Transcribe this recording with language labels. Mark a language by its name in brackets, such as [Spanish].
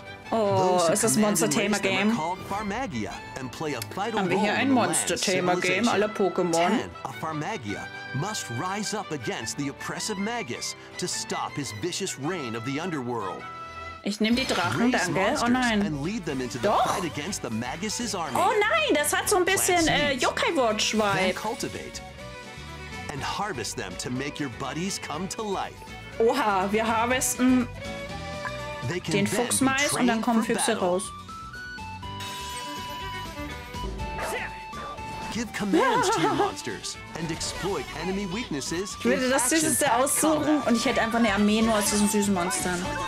[German] Oh, ist das Monster-Thema-Game? Haben wir hier ein Monster-Thema-Game aller Pokémon? [English] Must rise up against the oppressive Magus to stop his vicious reign of the underworld. [German] Ich nehme die Drachen, danke. Oh nein. [English] And lead them into the fight against the Magus's army. [German] Oh nein, das hat so ein bisschen Yokai Watch Vibe. [English] Then cultivate and harvest them to make your buddies come to life. [German] Oha, wir harvesten den Fuchsmais und dann kommen Füchse raus. [English] Give commands to your monsters and exploit enemy weaknesses. [German] Ich würde das Süßeste aussuchen und ich hätte einfach eine Armee nur aus diesen süßen Monstern.